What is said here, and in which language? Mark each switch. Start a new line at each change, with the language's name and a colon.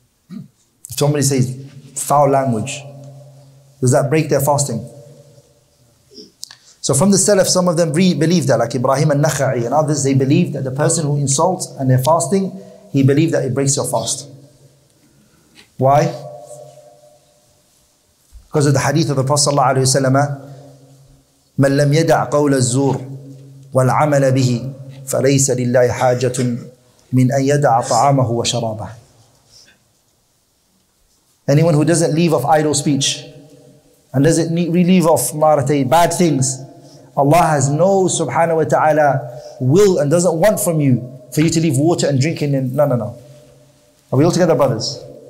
English: If somebody says foul language, does that break their fasting? So from the Salaf, some of them believe that, like Ibrahim al-Nakhai and others, they believe that the person who insults and they're fasting, he believed that it breaks your fast. Why? Because of the hadith of the Prophet
Arabic: ﷺ, مَنْ لَمْ يَدَعْ قَوْلَ الزُّورِ وَالْعَمَلَ بِهِ فَلَيْسَ لِلَّهِ حَاجَةٌ مِنْ أَنْ يَدَعْ طَعَامَهُ وَشَرَابَهُ.
English: Anyone who doesn't leave off idle speech and doesn't leave off bad things, Allah has no subhanahu wa ta'ala will and doesn't want from you for you to leave water and drinking and no. Are we all together, brothers?